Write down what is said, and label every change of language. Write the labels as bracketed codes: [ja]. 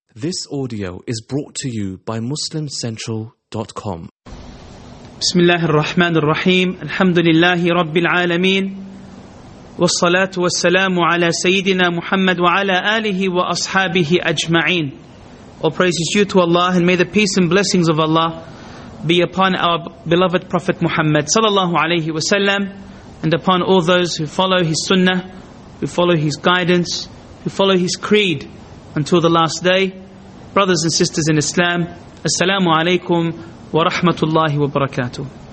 [en] This audio is brought to you by MuslimCentral.com. [ar] بسم الله الرحمن الرحيم الحمد لله رب العالمين والصلاة والسلام على سيدنا محمد وعلى آله وأصحابه أجمعين. [en] All praises due to Allah and may the peace and blessings of Allah be upon our beloved Prophet Muhammad [ar] صلى الله عليه وسلم [en] and upon all those who follow his sunnah, who follow his guidance, who follow his creed until the last day. Brothers and sisters in Islam, [ar] Assalamu alaikum wa rahmatullahi wa barakatuh.